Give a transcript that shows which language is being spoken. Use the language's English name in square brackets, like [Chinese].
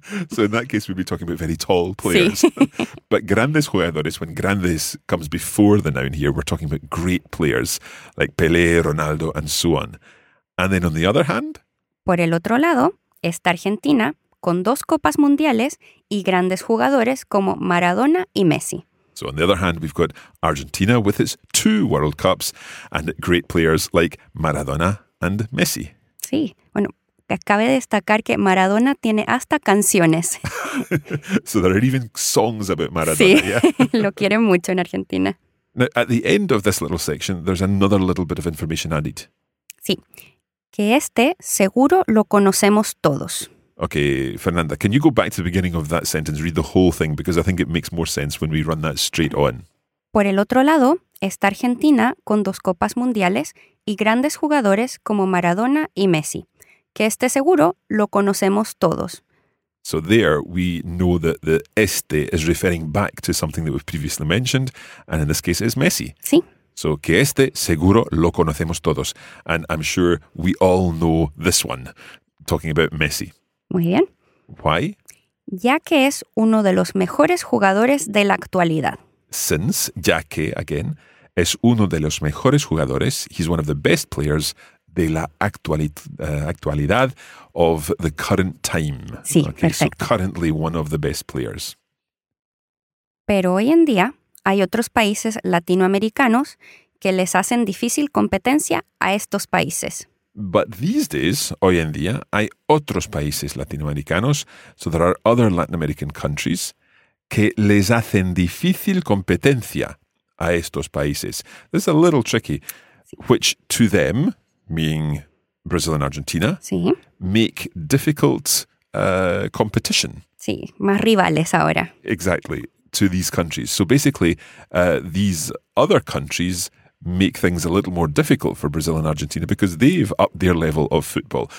[English] So in that case, we'd be talking about very tall players. [Spanish] Sí. [English] But [Spanish] grandes jugadores, [English] when grandes comes before the noun here, we're talking about great players like Pelé, Ronaldo, and so on. And then on the other hand? [Spanish] Por el otro lado, está Argentina con 2 copas mundiales y grandes jugadores como Maradona y Messi. [English] So on the other hand, we've got Argentina with its 2 World Cups and great players like Maradona and Messi. [Spanish] Sí. Bueno, cabe destacar que Maradona tiene hasta canciones. [English] So there are even songs about Maradona. [Spanish] Sí, [English] yeah? [Spanish] Lo quiere mucho en Argentina. [English] Now, at the end of this little section, there's another little bit of information added. [Spanish] Sí. Que este seguro lo conocemos todos. [English] Okay, Fernanda, can you go back to the beginning of that sentence, read the whole thing, because I think it makes more sense when we run that straight on. [Spanish] Por el otro lado, está Argentina con 2 copas mundiales y grandes jugadores como Maradona y Messi, que este seguro lo conocemos todos. [English] So there we know that the este is referring back to something that we've previously mentioned, and in this case it's Messi. [Spanish] Sí. [English] So [Spanish] que este seguro lo conocemos todos, [English] and I'm sure we all know this one, talking about Messi. [Spanish] Muy bien. [English] Why? [Spanish] Ya que es uno de los mejores jugadores de la actualidad. [English] Since, [Spanish] ya que, [English] again, [Spanish] es uno de los mejores jugadores, [English] he's one of the best players [Spanish] de la actualidad [English] of the current time. [Spanish] Sí, okay, perfecto. [English] So currently one of the best players. [Spanish] Pero hoy en día hay otros países latinoamericanos que les hacen difícil competencia a estos países. [English] But these days, [Spanish] hoy en día, hay otros países latinoamericanos, [English] so there are other Latin American countries, [Spanish] que les hacen difícil competencia a estos países. [English] This is a little tricky. Which to them, meaning Brazil and Argentina, [Spanish] sí, [English] make difficult competition. [Spanish] Sí, más rivales ahora. [English] Exactly. to these countries. So basically, these other countries make things a little more difficult for Brazil and Argentina because they've upped their level of football.